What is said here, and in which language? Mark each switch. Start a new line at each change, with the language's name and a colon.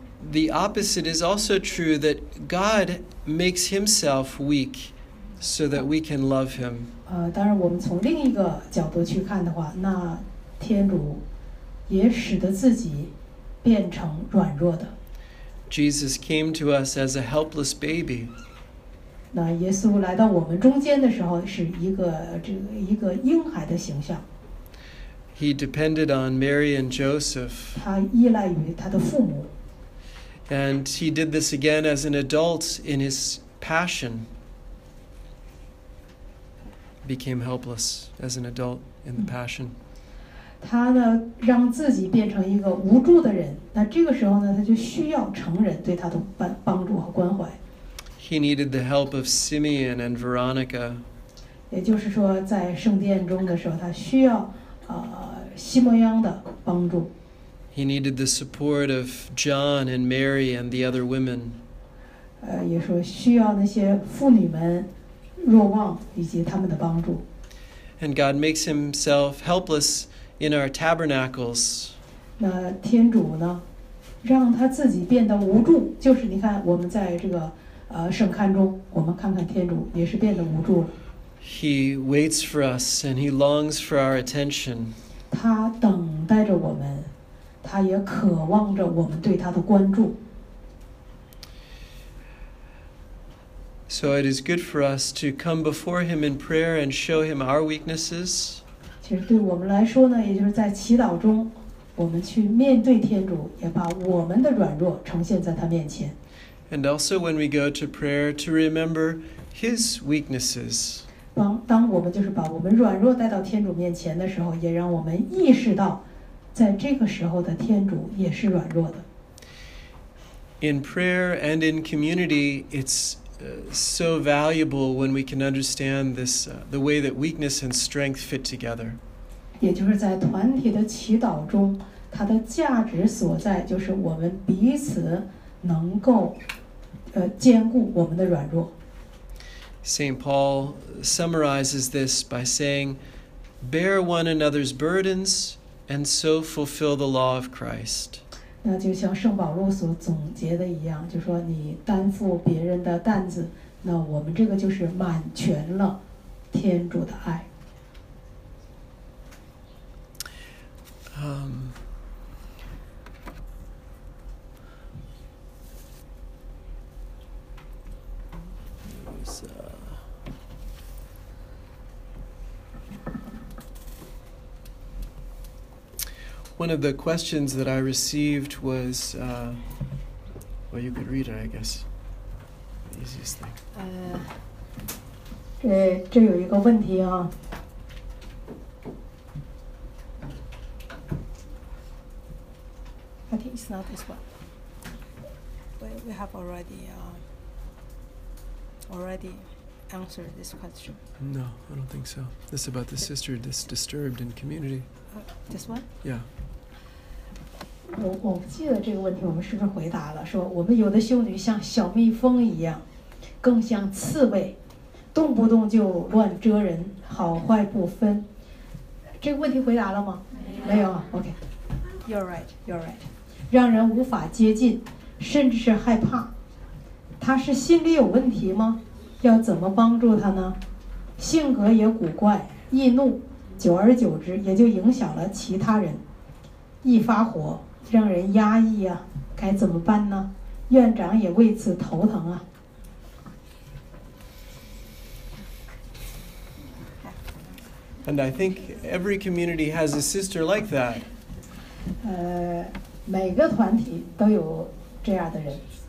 English: The opposite is also true that God makes himself weak so that we can love him.
Chinese: 当然我们从另一个角度去看的话，那天主也使得自己变成软弱的。
English: Jesus came to us as a helpless baby.
Chinese: 那耶稣来到我们中间的时候是一个婴孩的形象。
English: He depended on Mary and Joseph.
Chinese: 他依赖于他的父母。
English: And he did this again as an adult in his passion. Became helpless as an adult in the passion.
Chinese: 他呢，让自己变成一个无助的人。那这个时候呢，他就需要成人对他的帮助和关怀。
English: He needed the help of Simeon and Veronica.
Chinese: 也就是说，在圣殿中的时候，他需要西摩央的帮助。
English: He needed the support of John and Mary and the other women.
Chinese: 也说需要那些妇女们、若望以及他们的帮助。
English: And God makes Himself helpless in our tabernacles.
Chinese: 那天主呢，让他自己变得无助，就是你看我们在这个圣龛中，我们看看天主也是变得无助了。
English: He waits for us and he longs for our attention.
Chinese: 他等待着我们，他也渴望着我们对他的关注。
English: So it is good for us to come before him in prayer and show him our weaknesses.
Chinese: 其实对我们来说呢，也就是在祈祷中，我们去面对天主，也把我们的软弱呈现在他面前。
English: And also when we go to prayer to remember his weaknesses.
Chinese: 当我们就是把我们软弱带到天主面前的时候，也让我们意识到，在这个时候的天主也是软弱的。
English: In prayer and in community, it's so valuable when we can understand this, the way that weakness and strength fit together.
Chinese: 也就是在团体的祈祷中，它的价值所在就是我们彼此能够兼顾我们的软弱。
English: St. Paul summarizes this by saying, Bear one another's burdens and so fulfill the law of Christ.
Chinese: 那就像圣保禄所总结的一样，就说你担负别人的担子，那我们这个就是满全了天主的爱。
English: One of the questions that I received was, well, you could read it, I guess. The easiest thing.
Chinese: 这有一个问题啊。
English: I think it's not this one. We have already answered this question. No, I don't think so. This is about the sister that's disturbed in community. This one? Yeah.
Chinese: 我不记得这个问题我们是不是回答了，说我们有的修女像小蜜蜂一样，更像刺猬，动不动就乱蛰人，好坏不分。这个问题回答了吗？没有
English: 啊。OK, You're right.
Chinese: 让人无法接近，甚至是害怕。她是心理有问题吗？要怎么帮助她呢？性格也古怪，易怒，久而久之也就影响了其他人，易发火，让人压抑啊，该怎么办呢？院长也为此头疼啊。
English: And I think every community has a sister like that.
Chinese: 每个团体都有这样的人。